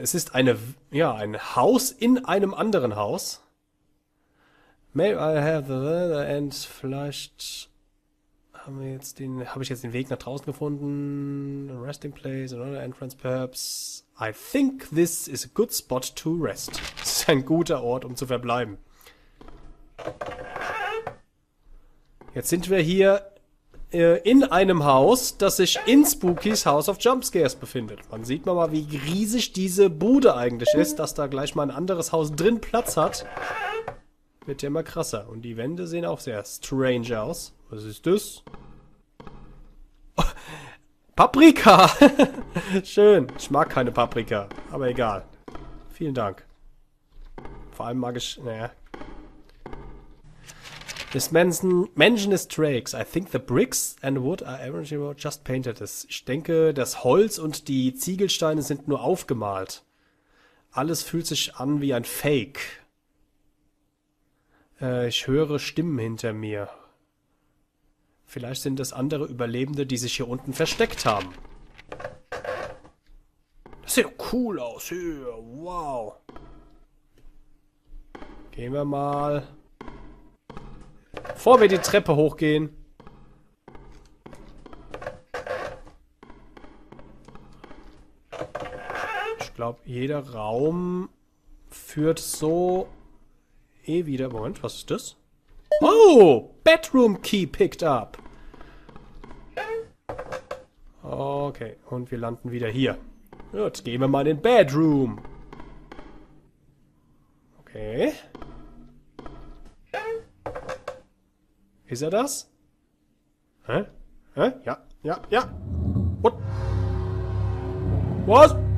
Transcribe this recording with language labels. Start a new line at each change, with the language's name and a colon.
German: Es ist eine, ja, ein Haus in einem anderen Haus.
English: May I have the end?
German: Vielleicht haben wir jetzt den, habe ich jetzt den Weg nach draußen gefunden?
English: A resting place, another entrance perhaps. I think this is a good spot to rest.
German: Das ist ein guter Ort, um zu verbleiben. Jetzt sind wir hier in einem Haus, das sich in Spookys House of Jumpscares befindet. Man sieht mal, wie riesig diese Bude eigentlich ist, dass da gleich mal ein anderes Haus drin Platz hat. Wird ja immer krasser. Und die Wände sehen auch sehr strange aus. Was ist das? Paprika! Schön. Ich mag keine Paprika. Aber egal. Vielen Dank. Vor allem mag ich... Naja.
English: This mansion is Drake's. I think the bricks and wood are originally just painted.
German: Ich denke, das Holz und die Ziegelsteine sind nur aufgemalt. Alles fühlt sich an wie ein Fake. Ich höre Stimmen hinter mir. Vielleicht sind es andere Überlebende, die sich hier unten versteckt haben. Das sieht cool aus hier. Wow. Gehen wir mal. Bevor wir die Treppe hochgehen. Ich glaube, jeder Raum führt so eh wieder. Moment, was ist das?
English: Oh, Bedroom Key picked up.
German: Okay, und wir landen wieder hier. Jetzt gehen wir mal in den Bedroom. Okay. Ist er das? Hä? Hä? Ja, ja, ja. What? Was?